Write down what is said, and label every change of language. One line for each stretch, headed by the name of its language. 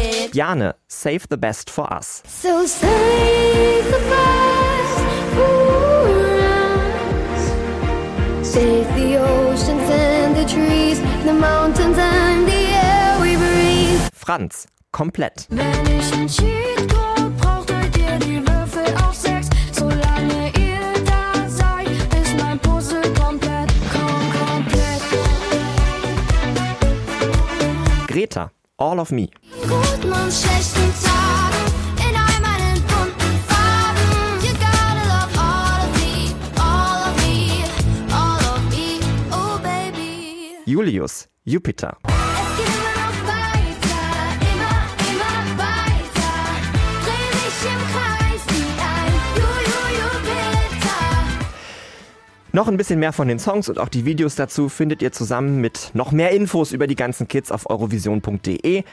English: Jane, save the best for us. So save the best for us. Save the oceans and the trees, the mountains and the air we breathe.
German: Franz, komplett. Wenn ich ein Cheat Code braucht, halt ihr die Würfel auf 6. Solange ihr da seid, ist mein Puzzle komplett, komplett.
English: Greta, all of me.
German: Guten und schlechten Tagen, in all meinen bunten Farben.
English: You gotta love all of me, all of me, all of me, oh baby.
German: Julius, Jupiter. Es geht immer noch weiter, immer, immer weiter. Dreh mich im Kreis wie ein Juju-Jupiter. Noch ein bisschen mehr von den Songs und auch die Videos dazu findet ihr zusammen mit noch mehr Infos über die ganzen Kids auf eurovision.de.